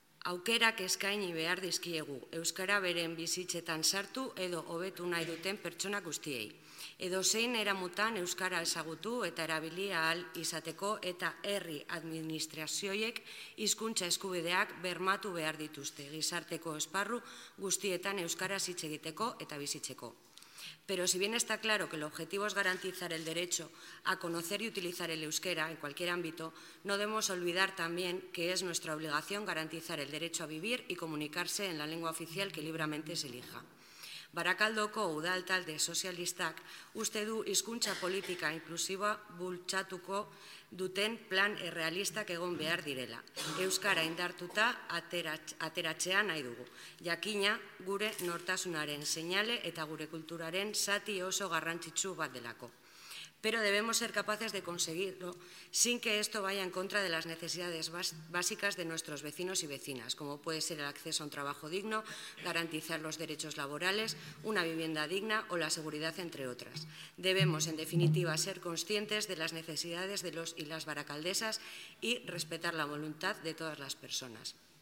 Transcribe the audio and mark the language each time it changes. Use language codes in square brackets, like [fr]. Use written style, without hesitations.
[eu] Aukerak eskaini behar dizkiegu, euskara beren bizitzetan sartu edo hobetu nahi duten pertsona guztiei. Edo zein eramutan euskara ezagutu eta erabili ahal izateko eta herri administrazioiek hizkuntza eskubideak bermatu behar dituzte gizarteko esparru guztietan euskaraz hitz egiteko eta bizitzeko. [es] Pero si bien está claro que el objetivo es garantizar el derecho a conocer y utilizar el euskera en cualquier ámbito, no debemos olvidar también que es nuestra obligación garantizar el derecho a vivir y comunicarse en la lengua oficial que libremente se elija. [eu] Barakaldoko udaltalde sozialistak uste du hizkuntza politika inklusiba bultzatuko duten plan errealistak egon behar direla. Euskara indartuta ateratzea nahi dugu. Jakina gure nortasunaren seinale eta gure kulturaren zati oso garrantzitsu bat delako. [es] Pero debemos ser capaces de conseguirlo sin que esto vaya en contra de las necesidades básicas de nuestros vecinos y vecinas, como puede ser el acceso a un trabajo digno, garantizar los derechos laborales, una vivienda digna o la seguridad, entre otras. Debemos, en definitiva, ser conscientes de las necesidades de los y las barakaldesas y respetar la voluntad de todas las personas.